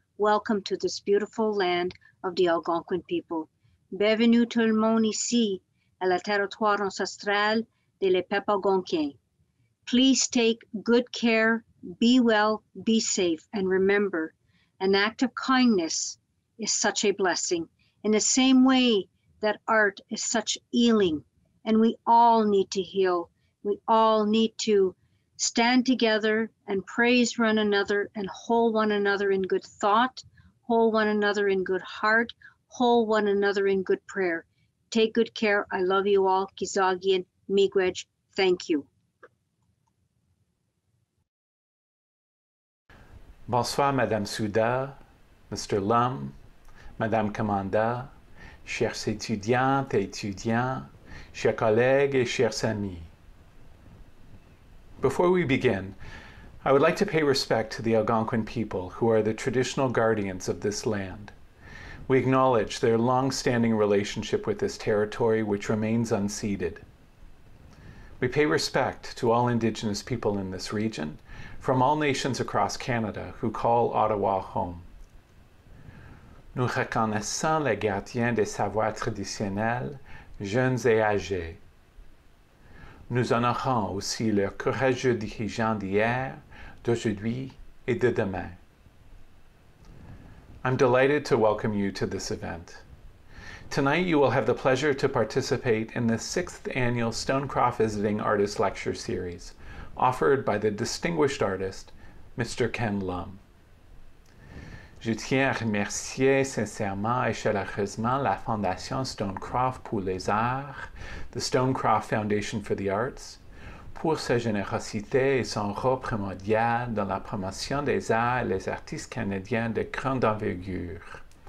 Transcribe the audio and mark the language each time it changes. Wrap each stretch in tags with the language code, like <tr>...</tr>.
<en>Welcome to this beautiful land of the Algonquin people.</en> <fr>Bienvenue tout le monde ici à la territoire ancestrale de les peuples algonquins.</fr> <en>Please take good care, be well, be safe, and remember An act of kindness is such a blessing, in the same way that art is such healing. And we all need to heal. We all need to stand together and praise one another and hold one another in good thought, hold one another in good heart, hold one another in good prayer. Take good care. I love you all.</en> <alq>Kizagian,</alq> <en>Miigwech, thank you.</en> <fr>Bonsoir, Madame Souda, Mr. Lum, Madame Commanda, chers étudiantes et étudiants, chers collègues et chers amis.</fr> <en>Before we begin, I would like to pay respect to the Algonquin people who are the traditional guardians of this land. We acknowledge their long-standing relationship with this territory, which remains unceded. We pay respect to all Indigenous people in this region, from all nations across Canada who call Ottawa home.</en> <fr>Nous reconnaissons les gardiens des savoirs traditionnels, jeunes et âgés. Nous honorons aussi leurs courageux dirigeants d'hier, d'aujourd'hui et de demain.</fr> <en>I'm delighted to welcome you to this event. Tonight you will have the pleasure to participate in the 6th annual Stonecroft Visiting Artist Lecture Series, offered by the distinguished artist, Mr.</en> <fr>Ken Lum. Je tiens à remercier sincèrement et chaleureusement la Fondation Stonecroft pour les Arts, the Stonecroft Foundation for the Arts, pour sa générosité et son rôle primordial dans la promotion des arts et les artistes canadiens de grande envergure.</fr>